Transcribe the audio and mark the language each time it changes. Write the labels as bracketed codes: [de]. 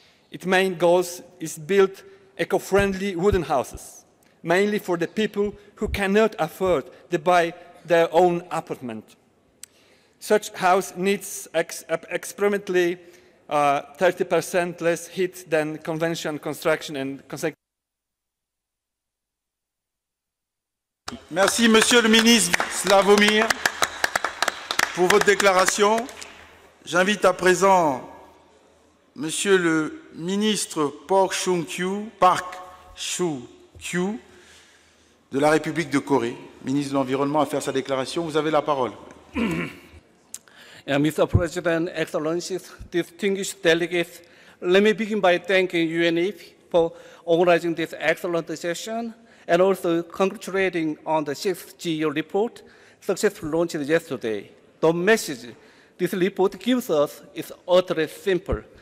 [en] Its main goal is build eco-friendly wooden houses, mainly for the people who cannot afford to buy their own apartment. Such house needs approximately 30% less heat than conventional construction and [fr] Merci, Monsieur le Ministre Slavomir, pour votre déclaration. J'invite à présent Monsieur le Ministre Park Chung-kyu de la République de Corée, ministre de l'Environnement, à faire sa déclaration. Vous avez la parole. [en] Mr. President, Excellencies, distinguished delegates, let me begin by thanking UNEP for organizing this excellent session and also congratulating on the 6th GEO report successfully launched yesterday. The message this report gives us is utterly simple.